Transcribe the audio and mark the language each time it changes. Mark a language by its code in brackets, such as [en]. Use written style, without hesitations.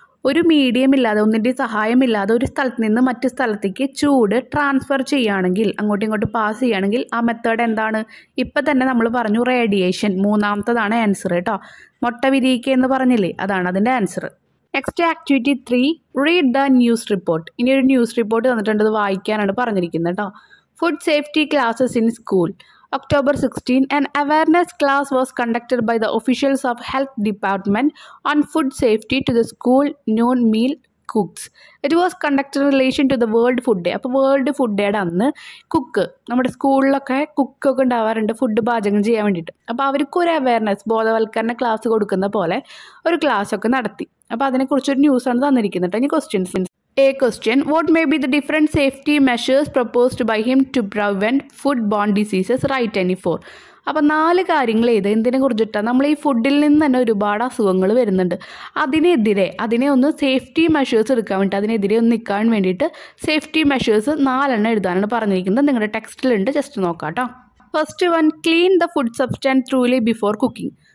[ml] ഒരു മീഡിയം ഇല്ലാതെ, ഒന്നിൻ്റെ സഹായം ഇല്ലാതെ ഒരു സ്ഥലത്ത് നിന്ന് മറ്റ് സ്ഥലത്തേക്ക് ചൂട് ട്രാൻസ്ഫർ ചെയ്യുകയാണെങ്കിൽ, അങ്ങോട്ടും ഇങ്ങോട്ടും പാസ് ചെയ്യുകയാണെങ്കിൽ ആ മെത്തേഡ് എന്താണ്, ഇപ്പം തന്നെ നമ്മൾ പറഞ്ഞു റേഡിയേഷൻ മൂന്നാമത്തതാണ് ആൻസർ കേട്ടോ. മുട്ട വിരിയിക്കുക എന്ന് പറഞ്ഞില്ലേ, അതാണ് അതിൻ്റെ answer. [en] Next activity 3, read the news report. [ml] ഇനി ഒരു ന്യൂസ് റിപ്പോർട്ട് തന്നിട്ടുണ്ട്, വായിക്കാനാണ് പറഞ്ഞിരിക്കുന്നത് കേട്ടോ. [en] Food safety classes in school. October 16, an awareness class was conducted by the officials of health department on food safety to the school noon meal cooks. It was conducted in relation to the World Food Day. [ml] അപ്പോൾ world food day അന്ന് cook, നമ്മുടെ സ്കൂളിലൊക്കെ കുക്കൊക്കെ ഉണ്ടാവാറുണ്ട് food പാചകം ചെയ്യാൻ വേണ്ടിയിട്ട്. അപ്പോൾ അവർക്കൊരു അവയർനെസ് ബോധവൽക്കരണ ക്ലാസ് കൊടുക്കുന്ന പോലെ ഒരു ക്ലാസ്സൊക്കെ നടത്തി. അപ്പോൾ അതിനെക്കുറിച്ചൊരു ന്യൂസാണ് തന്നിരിക്കുന്നത്. ഇനി questions. [en] A question, what may be the different safety measures proposed by him to prevent foodborne diseases? Write any 4. [ml] അപ്പോൾ 4 കാര്യങ്ങൾ ചെയ്ത് എന്തിനെ കുറിച്ചിട്ടാണ്, നമ്മൾ ഈ ഫുഡിൽ നിന്ന് തന്നെ ഒരുപാട് അസുഖങ്ങൾ വരുന്നുണ്ട്, അതിനെതിരെ അതിനെ ഒന്ന് സേഫ്റ്റി മെഷേഴ്സ് എടുക്കാൻ വേണ്ടിയിട്ട്, അതിനെതിരെ ഒന്ന് നിൽക്കാൻ വേണ്ടിയിട്ട് സേഫ്റ്റി മെഷേഴ്സ് 4 എഴുതാനാണ് പറഞ്ഞിരിക്കുന്നത്. നിങ്ങളുടെ ടെക്സ്റ്റിലുണ്ട്, just നോക്കാട്ടോ. [en] First one, clean the food substance truly before cooking.